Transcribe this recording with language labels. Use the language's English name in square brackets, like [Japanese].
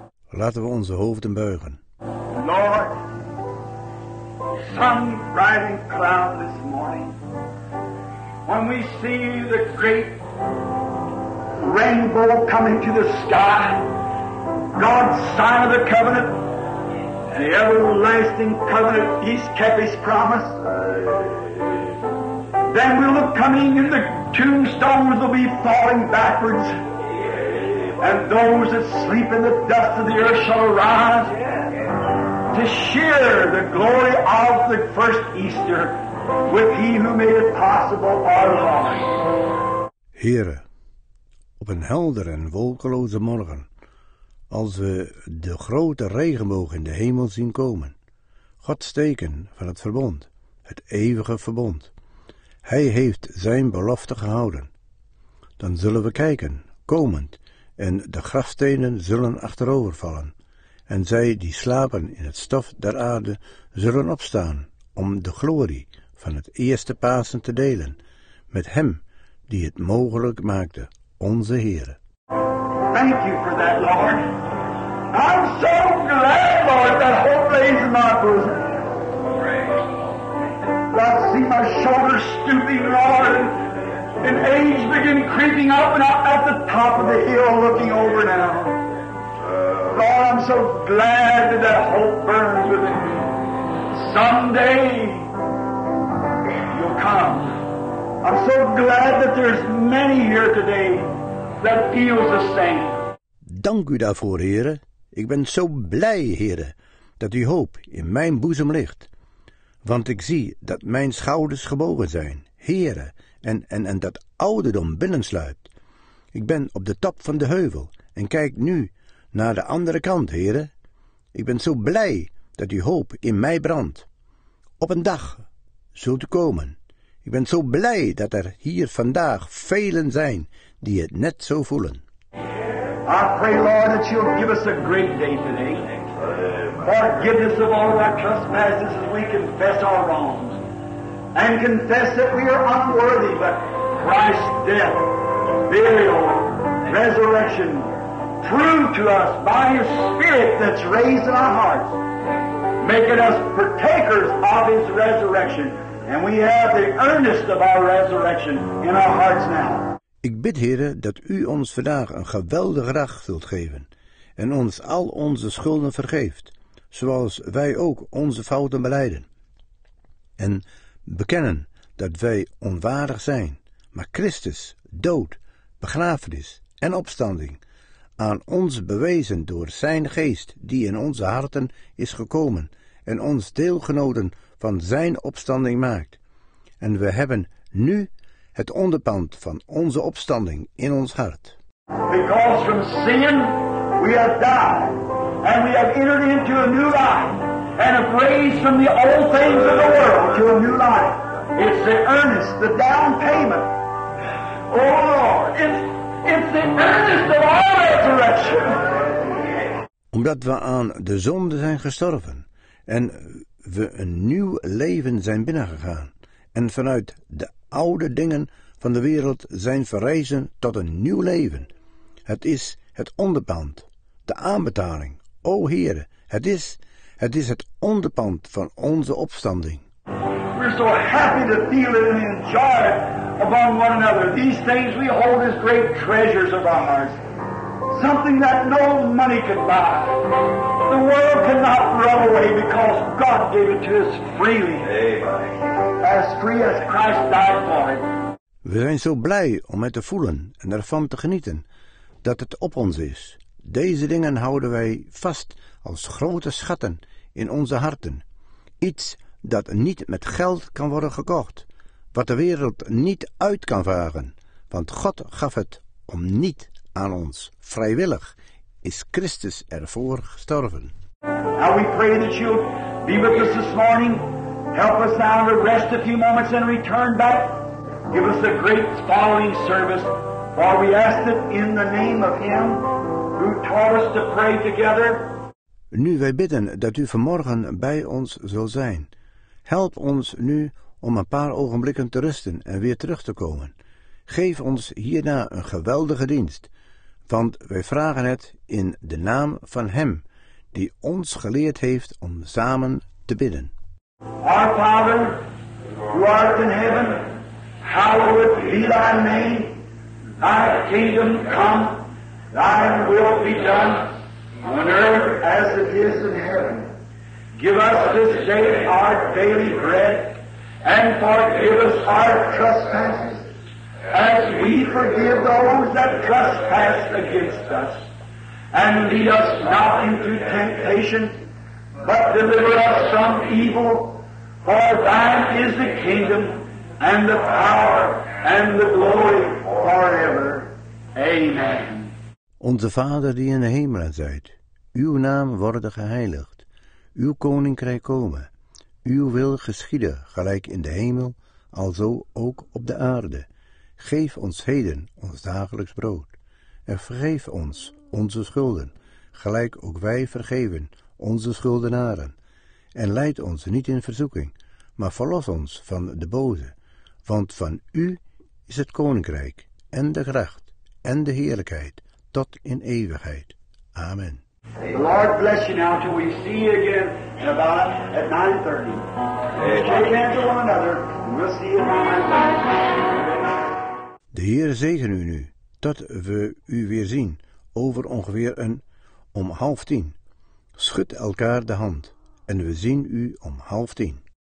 [Dutch] Laten we onze hoofden buigen. [English] Lord, some bright and cloud this morning, when we see the great rainbow coming to the sky, God's sign of the covenant, the everlasting covenant, he's kept his promise. Then we'll look coming and the tombstones will be falling backwards. And those that sleep in the dust of the earth shall arise to share the glory of the first Easter with he who made it possible, our Lord. [Dutch] Heren, op een helder en wolkeloze morgen, als we de grote regenboog in de hemel zien komen, Gods teken van het verbond, het eeuwige verbond. Hij heeft zijn belofte gehouden. Dan zullen we kijken, komend, en de grafstenen zullen achterovervallen, en zij die slapen in het stof der aarde zullen opstaan om de glorie van het eerste Pasen te delen met hem die het mogelijk maakte, onze Heere. [English] Thank you for that, Lord. I'm so glad, Lord, that hope lays in my bosom. I see my shoulders stooping, Lord, and age begin creeping up, and I'm at the top of the hill looking over now. Lord, I'm so glad that hope burns within me. Someday, you'll come. I'm so glad that there's many here today that feels the same. [Dutch] Dank u daarvoor, heren. Ik ben zo blij, heren, dat uw hoop in mijn boezem ligt. Want ik zie dat mijn schouders gebogen zijn, heren, en dat ouderdom binnensluit. Ik ben op de top van de heuvel en kijk nu naar de andere kant, heren. Ik ben zo blij dat uw hoop in mij brandt. Op een dag zult u komen. Ik ben zo blij dat er hier vandaag velen zijn die het net zo voelen. [English] I pray, Lord, that you'll give us a great day today. Forgiveness of all of our trespasses as we confess our wrongs. And confess that we are unworthy, but Christ's death, burial, resurrection, prove to us by his Spirit that's raised in our hearts, making us partakers of his resurrection. And we have the earnest of our resurrection in our hearts now. [Dutch] Ik bid, heren, dat u ons vandaag een geweldige dag zult geven en ons al onze schulden vergeeft, zoals wij ook onze fouten belijden. En bekennen dat wij onwaardig zijn, maar Christus, dood, begrafenis en opstanding, aan ons bewezen door zijn geest die in onze harten is gekomen en ons deelgenoten van zijn opstanding maakt. En we hebben nu het onderpand van onze opstanding in ons hart. [English] Because from sin we have died, and we have entered into a new life, and have raised from the old things of the world to a new life. It's the earnest, the down payment. Oh Lord, it's the earnest of our resurrection. [Dutch] Omdat we aan de zonde zijn gestorven, en we een nieuw leven zijn binnengegaan, en vanuit de oude dingen van de wereld zijn verrezen tot een nieuw leven. Het is het onderpand, de aanbetaling. O Heere, het is het onderpand van onze opstanding. [English] We're so happy to feel it and enjoy it upon one another. These things we hold as great treasures of ours. Something that no money could buy. The world cannot run away because God gave it to us freely. As free as Christ died for it. [Dutch] We zijn zo blij om het te voelen en ervan te genieten dat het op ons is. Deze dingen houden wij vast als grote schatten in onze harten. Iets dat niet met geld kan worden gekocht, wat de wereld niet uit kan vragen, want God gaf het om niet aan ons. Vrijwillig is Christus ervoor gestorven. [English] Now we pray that you'll be with us this morning. Help us now to rest a few moments and return back. Give us a great following service, for we ask it in the name of him who taught us to pray together. [Dutch] Nu wij bidden dat u vanmorgen bij ons zal zijn, help ons nu om een paar ogenblikken te rusten en weer terug te komen. Geef ons hierna een geweldige dienst, want wij vragen het in de naam van hem die ons geleerd heeft om samen te bidden. [English] Our Father, who art in heaven, hallowed be thy name. Thy kingdom come, thy will be done, on earth as it is in heaven. Give us this day our daily bread, and forgive us our trespasses, as we forgive those that trespass against us. And lead us not into temptation, but deliver us from evil. For thine is the kingdom, and the power, and the glory forever. Amen. [Dutch] Onze Vader die in de hemelen zijt, uw naam worden geheiligd, uw koninkrijk komen, Uw wil geschieden, gelijk in de hemel, alzo ook op de aarde. Geef ons heden ons dagelijks brood. En vergeef ons onze schulden, gelijk ook wij vergeven onze schuldenaren. En leid ons niet in verzoeking, maar verlos ons van de boze. Want van u is het koninkrijk en de kracht en de heerlijkheid tot in eeuwigheid. Amen. [English] The Lord bless you now till we see you again at 9:30. Shake hands with one another and we'll see you at 9:30. [Dutch] De Heer zegen u nu, tot we u weer zien, over ongeveer om 9:30. Schud elkaar de hand, en we zien u om 9:30.